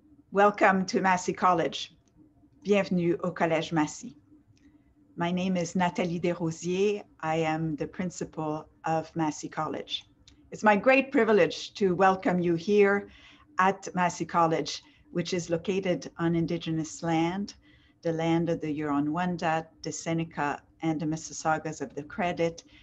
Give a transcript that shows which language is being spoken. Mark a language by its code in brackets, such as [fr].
[en] Welcome to Massey College. [fr] Bienvenue au Collège Massey. [en] My name is Nathalie Rosiers. I am the principal of Massey College. It's my great privilege to welcome you here at Massey College, which is located on Indigenous land, the land of the Huron-Wendat, the Seneca, and the Mississaugas of the Credit.